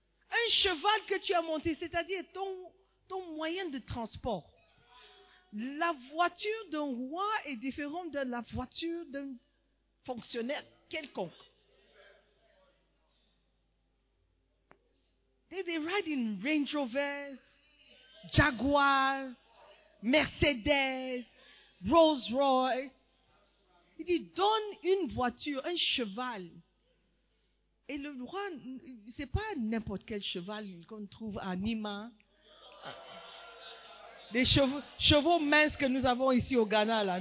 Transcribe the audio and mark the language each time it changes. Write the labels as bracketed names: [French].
[French] Un cheval que tu as monté, c'est-à-dire ton moyen de transport. La voiture d'un roi est différente de la voiture d'un fonctionnaire quelconque. [English] They ride in Range Rover, Jaguar, Mercedes, Rolls Royce. [French] Il dit, donne une voiture, un cheval. Et le roi, c'est pas n'importe quel cheval qu'on trouve à Nima. Des chevaux minces que nous avons ici au Ghana, là.